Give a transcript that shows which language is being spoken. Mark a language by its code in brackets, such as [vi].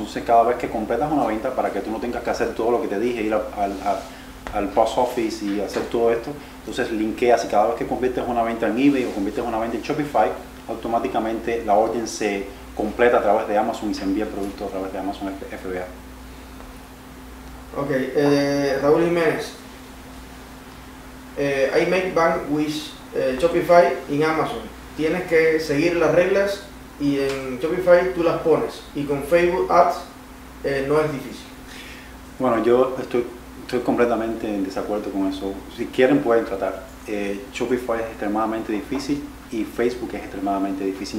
[es] Entonces, cada vez que completas una venta, para que tú no tengas que hacer todo lo que te dije, ir al post office y hacer todo esto, entonces linkeas, y cada vez que conviertes una venta en eBay o conviertes una venta en Shopify, automáticamente la orden se completa a través de Amazon y se envía el producto a través de Amazon FBA. [en] Ok, Raúl Jiménez: I make bank with Shopify in Amazon. [es] Tienes que seguir las reglas y en Shopify tú las pones, y con Facebook Ads no es difícil. Bueno, yo estoy completamente en desacuerdo con eso. Si quieren, pueden tratar. Shopify es extremadamente difícil y Facebook es extremadamente difícil.